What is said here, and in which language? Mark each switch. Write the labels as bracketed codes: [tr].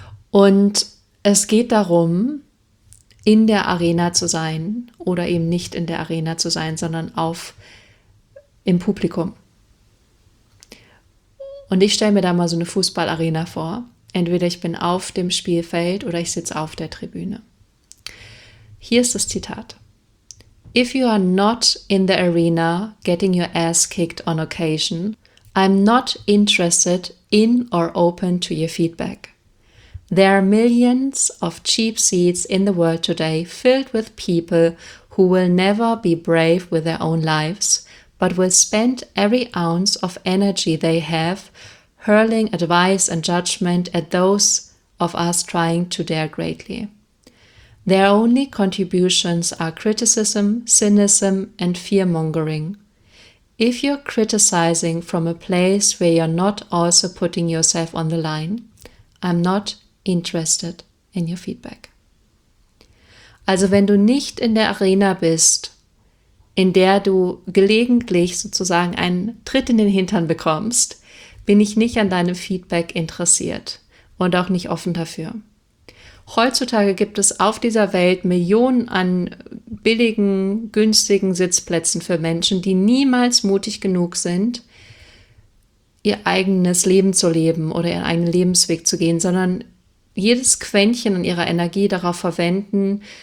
[de] Und es geht darum, in der Arena zu sein oder eben nicht in der Arena zu sein, sondern im Publikum. Und ich stelle mir da mal so eine Fußballarena vor. Entweder ich bin auf dem Spielfeld oder ich sitze auf der Tribüne. Hier ist das Zitat. [en] If you are not in the arena getting your ass kicked on occasion, I'm not interested in or open to your feedback. There are millions of cheap seats in the world today filled with people who will never be brave with their own lives, but will spend every ounce of energy they have hurling advice and judgment at those of us trying to dare greatly. Their only contributions are criticism, cynicism, and fear-mongering. If you're criticizing from a place where you're not also putting yourself on the line, I'm not interested in your feedback. [de] Also wenn du nicht in der Arena bist, in der du gelegentlich sozusagen einen Tritt in den Hintern bekommst, bin ich nicht an deinem Feedback interessiert und auch nicht offen dafür. Heutzutage gibt es auf dieser Welt Millionen an billigen, günstigen Sitzplätzen für Menschen, die niemals mutig genug sind, ihr eigenes Leben zu leben oder ihren eigenen Lebensweg zu gehen, sondern jedes Quäntchen an ihrer Energie darauf verwenden,